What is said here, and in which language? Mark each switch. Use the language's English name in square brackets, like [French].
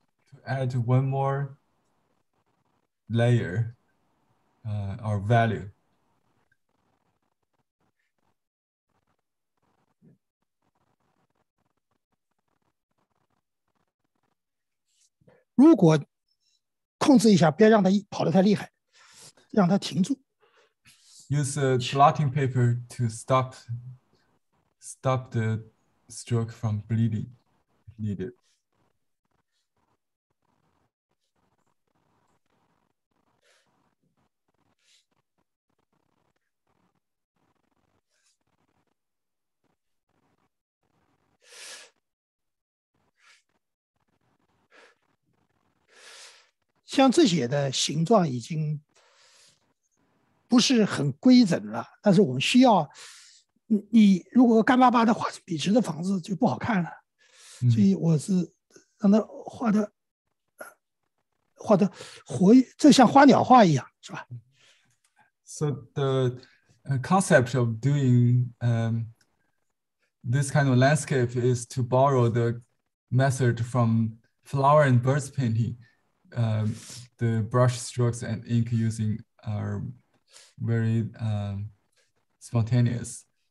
[English] To add one more layer, or value. [Chinese] 如果控制一下，不要让它跑得太厉害，让它停住。 [English] Use a blotting paper to stop the stroke from bleeding. Need it. [Chinese] 像这些的形状已经不是很规整了，但是我们需要 你如果干巴巴的画笔直的房子就不好看了，所以我是让它画的活跃，这像花鸟画一样，是吧？ [English] So the concept of doing this kind of landscape is to borrow the method from flower and birds painting. The brush strokes and ink using are very spontaneous.